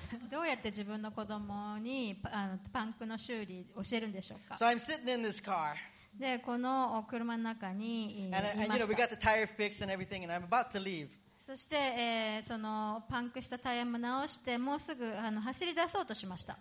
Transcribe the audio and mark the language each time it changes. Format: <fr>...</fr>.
<ja>どうやって自分の子供にパンクの修理を教えるんでしょうか。</ja> <en>So I'm sitting in this car.</en> <ja>で、この車の中にいました。</ja> <en>And you know, we got the tire fixed and everything, and I'm about to leave.</en> <ja>そして、そのパンクしたタイヤも直してもうすぐ走り出そうとしました。</ja>